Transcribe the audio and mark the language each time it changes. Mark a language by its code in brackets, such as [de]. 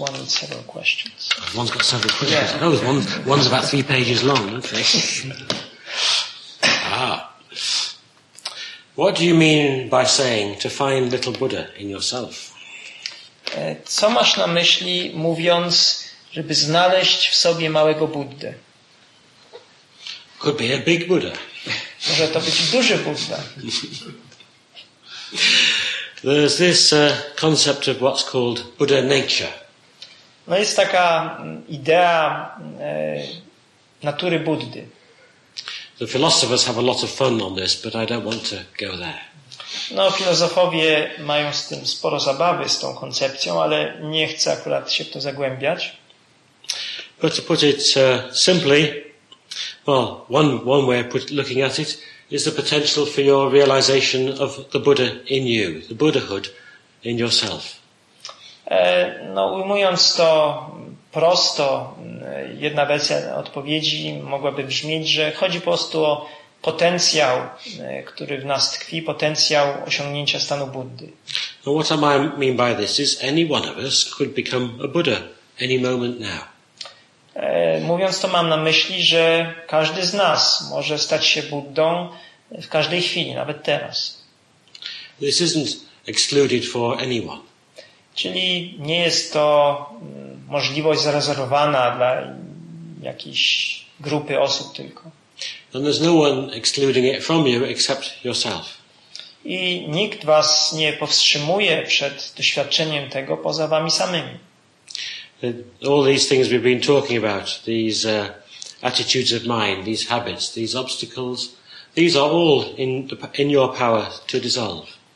[en] one with several questions. One's got several questions. Yeah. Oh, one's about three pages long. Okay. Ah. What do you mean by saying to find little Buddha in yourself? [pl] Co masz na myśli, mówiąc, żeby znaleźć w sobie małego Buddę? [en] Could be a big Buddha. [pl] Może to być duży Buddha. [en] There's this concept of what's called Buddha nature. [pl] No jest taka idea natury Buddy. [en] The philosophers have a lot of fun on this, but I don't want to go there. [pl] No, filozofowie mają z tym sporo zabawy z tą koncepcją, ale nie chcę akurat się w to zagłębiać. [en] But to put it simply, well, one way of looking at it is the potential for your realization of the Buddha in you, the Buddhahood in yourself. [pl] No, ujmując to prosto, jedna wersja odpowiedzi mogłaby brzmieć, że chodzi po prostu o potencjał, który w nas tkwi, potencjał osiągnięcia stanu Buddy. [en] Now what I mean by this is any one of us could become a Buddha any moment now. [pl] Mówiąc to, mam na myśli, że każdy z nas może stać się Buddą w każdej chwili, nawet teraz. [en] This isn't excluded for anyone. [pl] Czyli nie jest to możliwość zarezerwowana dla jakiejś grupy osób tylko. [en] And there's no one excluding it from you except yourself. [pl] I nikt was nie powstrzymuje przed doświadczeniem tego poza wami samymi. [en] All these things we've been talking about, these attitudes of mind, these habits, these obstacles, these are all in your power to dissolve.